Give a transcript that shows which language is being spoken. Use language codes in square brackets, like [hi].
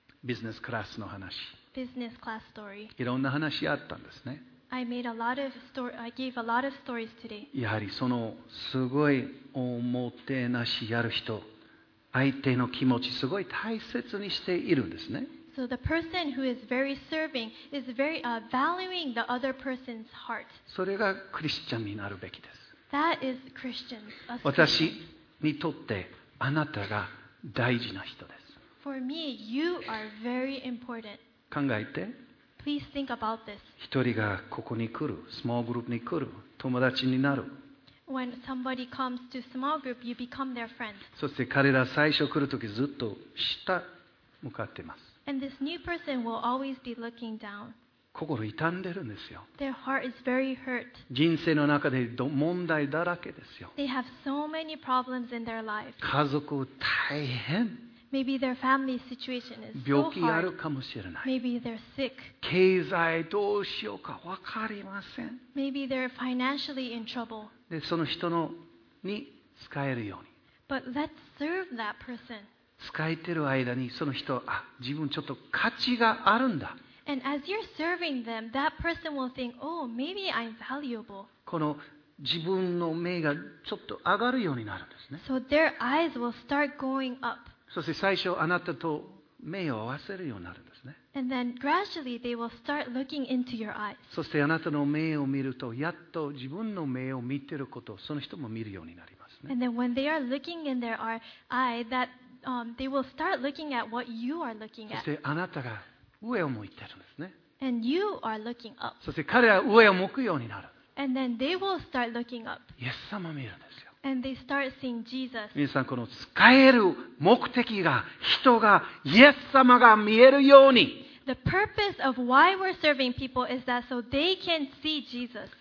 [ja] ビジネスクラスの話。 [en] Business class story. [ja] いろんな話あったんですね。 [en] I made a lot of story. I gave a lot of stories today. [ja] やはりそのすごいおもてなしやる人、相手の気持ちすごい大切にしているんですね。 [en] So the person who is very serving is very valuing the other person's heart. [ja] それがクリスチャンになるべきです。 [en] That is Christians. [ja] 私にとってあなたが大事な人です。 [en] For me, you are very important. [ja] 考えて。 [en] Please think about this. [ja] 一人がここに来る、スモールグループに来る、友達になる。 [en] When somebody comes to small group, you become their friend. [ja] そして彼ら最初来るときずっと下向かっています。 [en] And this new person will always be looking down. [ja] 心痛んでるんですよ。 [en] Their heart is very hurt. [ja] 人生の中で問題だらけですよ。 [en] They have so many problems in their life. [ja] 家族大変。 [en] Maybe their family situation is so hard. [ja] 病気あるかもしれない。 [en] Maybe they're sick. [ja] 経済どうしようか分かりません。 [en] Maybe they're financially in trouble. [ja] で、その人のに使えるように。 [en] But let's serve that person. [ja] 使えてる間にその人、あ、自分ちょっと価値があるんだ。 [en] And as you're serving them, that person will think, oh, maybe I'm valuable. [ja] この自分の目がちょっと上がるようになるんですね。 [en] So their eyes will start going up. [ja] そして最初あなたと目を合わせるようになるんですね。 [en] And then gradually they will start looking into your eyes. [ja] そしてあなたの目を見るとやっと自分の目を見ていることをその人も見るようになりますね。 [en] And then when they are looking in their eye, that they will start looking at what you are looking at. [ja] そしてあなたが上を向いているんですね。 [en] And you are looking up. [ja] そして彼らは上を向くようになる。 [en] And then they will start looking up. [ja] イエス様を見るんですよ。 [en] And they start seeing Jesus. [ja] 皆さんこの使える目的が人がイエス様が見えるように。 [en] The purpose of why we're serving people is that so they can see Jesus.